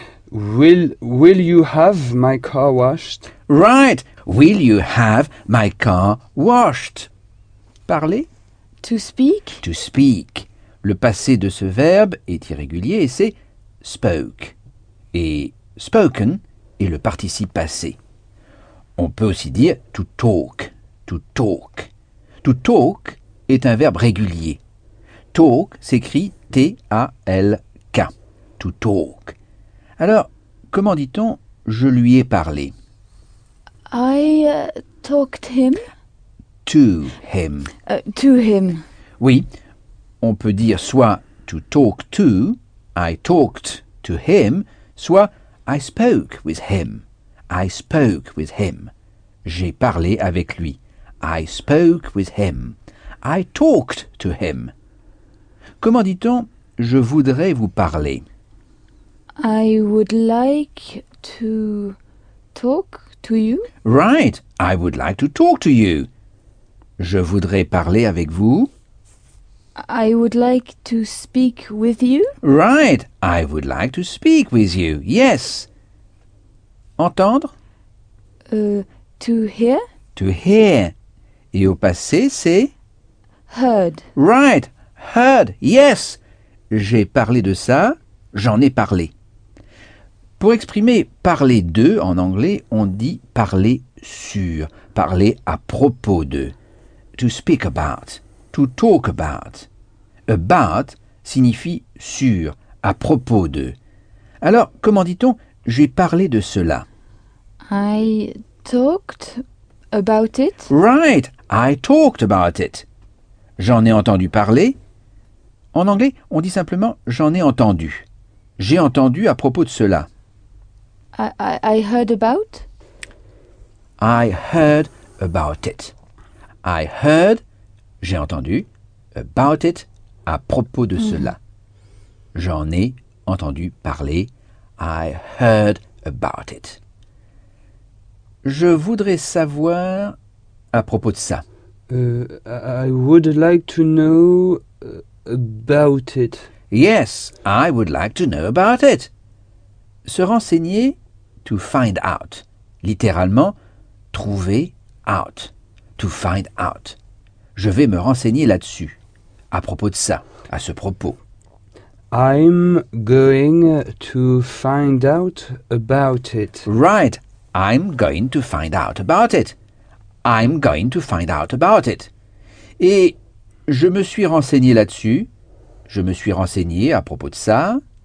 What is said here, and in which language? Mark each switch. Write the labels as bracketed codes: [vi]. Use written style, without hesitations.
[en] Will you have my car washed? Right. Will you have my car washed? [fr] Parler. [en] To speak. To speak. [fr] Le passé de ce verbe est irrégulier et c'est spoke. Et spoken est le participe passé. On peut aussi dire to talk. [en] To talk. [fr] To talk est un verbe régulier. Talk s'écrit T-A-L-K. To talk. Alors, comment dit-on « je lui ai parlé » ? [en] I talked him. To him. To him. [fr] Oui, on peut dire soit [en] « to talk to »,« I talked to him », [fr] soit [en] « I spoke with him ».« I spoke with him ». [fr] J'ai parlé avec lui. [en] I spoke with him. I talked to him. [fr] Comment dit-on « je voudrais vous parler » ? [en] I would like to talk to you. Right. I would like to talk to you. [fr] Je voudrais parler avec vous. [en] I would like to speak with you. Right. I would like to speak with you. Yes. [fr] Entendre? [en] To hear. To hear. [fr] Et au passé, c'est? [en] Heard. Right. Heard. Yes. [fr] J'ai parlé de ça. J'en ai parlé. Pour exprimer « parler de » en anglais, on dit « parler sur », »,« parler à propos de ». [en] To speak about, to talk about. [fr] About signifie « sur », à propos de. Alors, comment dit-on « j'ai parlé de cela » ? [en] I talked about it. Right, I talked about it. [fr] J'en ai entendu parler. En anglais, on dit simplement « j'en ai entendu ». J'ai entendu à propos de cela. [en] I heard about. I heard about it. I heard, [fr] j'ai entendu, [en] about it, [fr] à propos de cela. J'en ai entendu parler. [en] I heard about it. [fr] Je voudrais savoir à propos de ça. [en] I would like to know about it. Yes, I would like to know about it. [fr] Se renseigner... [en] To find out. [fr] Littéralement, trouver out. To find out. Je vais me renseigner là-dessus. À propos de ça. À ce propos. [en] I'm going to find out about it. Right. I'm going to find out about it. I'm going to find out about it. [fr] Et je me suis renseigné là-dessus. Je me suis renseigné à propos de ça.